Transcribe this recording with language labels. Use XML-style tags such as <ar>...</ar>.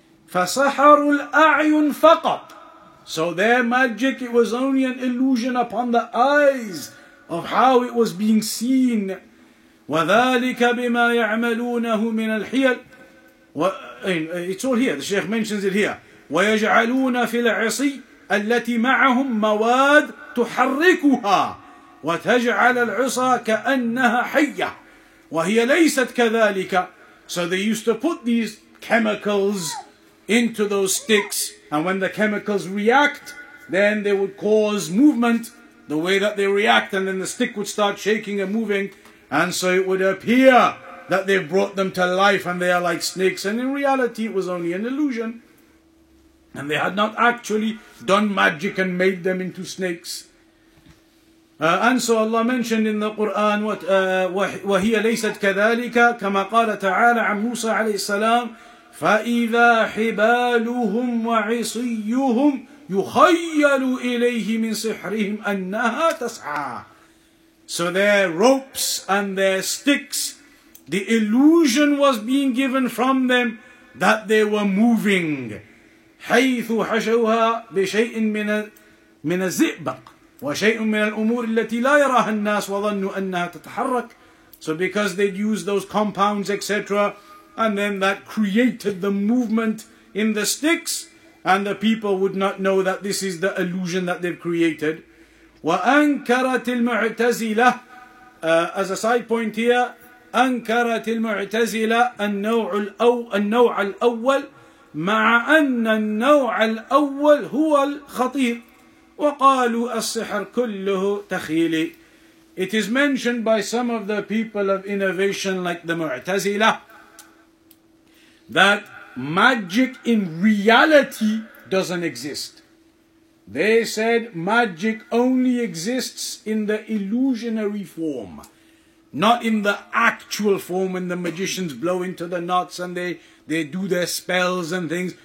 <ar>فَسَحَرُوا الْأَعْيُنْ فَقَطْ.</ar> <en>So their magic, it was only an illusion upon the eyes of how it was being seen.</en> <ar>وَذَلِكَ بِمَا يَعْمَلُونَهُ مِنَ الْحِيَلِ.</ar> <en>It's all here, the Shaykh mentions it here.</en> <ar>وَيَجْعَلُونَ فِي الْعِصِي التي معهم مواد تحركها وتجعل العصا كأنها حية وهي ليست كذلك.</ar> <en>So they used to put these chemicals into those sticks, and when the chemicals react, then they would cause movement the way that they react, and then the stick would start shaking and moving, and so it would appear that they brought them to life and they are like snakes, and in reality it was only an illusion. And they had not actually done magic and made them into snakes. And so Allah mentioned in the Quran,</en> <ar>وَهِيَ لَيْسَتْ كَذَلِكَ كَمَا قَالَ تَعَالَى عَنْ مُوسَى عَلَيْهِ السَّلَامِ فَإِذَا حِبَالُهُمْ وَعِصِيُّهُمْ يُخَيَّلُ إِلَيْهِ مِنْ صِحْرِهِمْ أَنَّهَا تَسْعَى.</ar> <en>So their ropes and their sticks, the illusion was being given from them that they were moving.</en> <ar>حيث حشوها بشيء من الزئبق وشيء من الأمور التي لا يراها الناس وظنوا أنها تتحرك.</ar> <en>So because they'd use those compounds, etc., and then that created the movement in the sticks, and the people would not know that this is the illusion that they've created.</en> <ar>وأنكرت المعتزلة,</ar> <en>as a side point here,</en> <ar>أنكرت المعتزلة النوع الأول مع أن النوع الأول هو الخطير وقالوا السحر كله تخيلي.</ar> <en>It is mentioned by some of the people of innovation like the Mu'tazila that magic in reality doesn't exist. They said magic only exists in the illusionary form, not in the actual form when the magicians blow into the knots and they do their spells and things.</en>